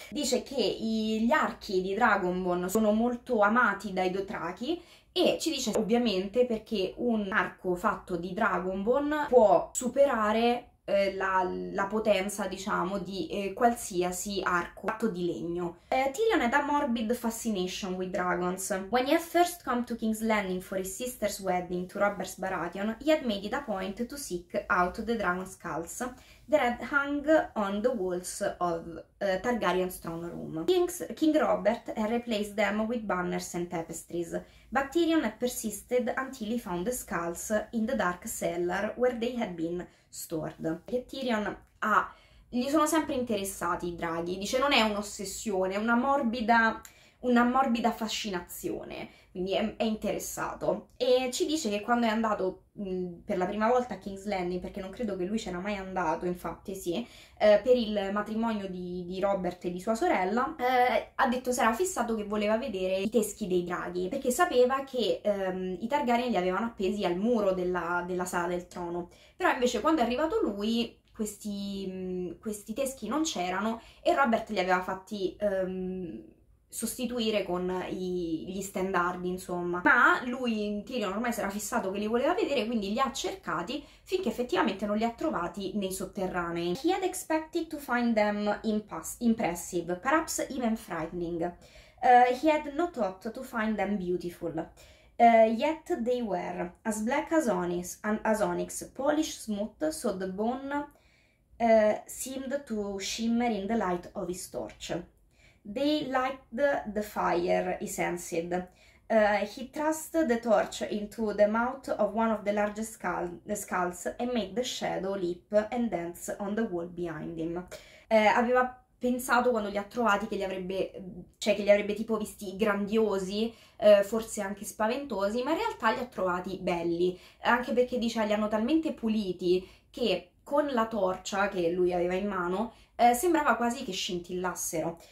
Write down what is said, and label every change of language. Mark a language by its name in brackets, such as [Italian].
[Italian] Dice che gli archi di Dragonborn sono molto amati dai Dothraki. E ci dice ovviamente perché un arco fatto di Dragonborn può superare la potenza, diciamo, di qualsiasi arco fatto di legno. [English] Tyrion had a morbid fascination with dragons. When he had first come to King's Landing for his sister's wedding to Robert Baratheon, he had made it a point to seek out the dragon skulls that had hung on the walls of Targaryen's throne room. King Robert had replaced them with banners and tapestries, but Tyrion had persisted until he found the skulls in the dark cellar where they had been stored. [Italian] E Tyrion gli sono sempre interessati i draghi, dice non è un'ossessione, è una morbida fascinazione, quindi è interessato. E ci dice che quando è andato per la prima volta a King's Landing, perché non credo che lui c'era mai andato, infatti sì, per il matrimonio di Robert e di sua sorella, ha detto si era fissato che voleva vedere i teschi dei draghi, perché sapeva che i Targaryen li avevano appesi al muro della sala del trono. Però invece quando è arrivato lui, questi teschi non c'erano e Robert li aveva fatti sostituire con gli stendardi, insomma. Ma lui, Tyrion, ormai si era fissato che li voleva vedere, quindi li ha cercati finché effettivamente non li ha trovati nei sotterranei. [English] He had expected to find them impressive, perhaps even frightening. He had not thought to find them beautiful. Yet they were as black as onyx, polished smooth, so the bone seemed to shimmer in the light of his torch. They liked the fire, he sensed. He thrust the torch into the mouth of one of the largest skulls and made the shadow leap and dance on the wall behind him. [Italian] Aveva pensato quando li ha trovati che li avrebbe tipo visti grandiosi, forse anche spaventosi, ma in realtà li ha trovati belli, anche perché dice li hanno talmente puliti che con la torcia che lui aveva in mano, sembrava quasi che scintillassero.